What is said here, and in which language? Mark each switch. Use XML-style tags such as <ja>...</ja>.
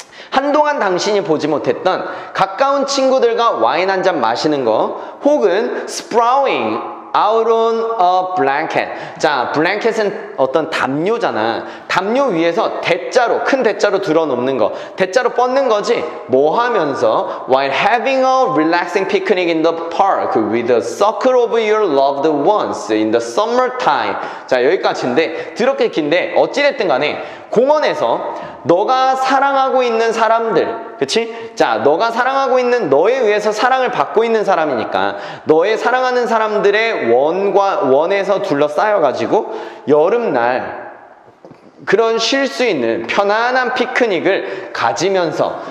<ko>한동안 당신이 보지 못했던 가까운 친구들과 와인 한잔 마시는 거, 혹은</ko> <en>sprawling out on a blanket.</en> <ko>자, blanket은 어떤 담요잖아. 담요 위에서 대자로, 큰 대자로 들어놓는 거, 대자로 뻗는 거지. 뭐 하면서?</ko> <en>While having a relaxing picnic in the park with a circle of your loved ones in the summertime.</en> <ko>자, 여기까지인데, 드럽게 긴데 어찌됐든 간에 공원에서 너가 사랑하고 있는 사람들, 그치? 자, 너가 사랑하고 있는, 너에 의해서 사랑을 받고 있는 사람이니까 너의 사랑하는 사람들의 원에서 둘러싸여가지고 여름날 그런 쉴 수 있는 편안한 피크닉을 가지면서.</ko>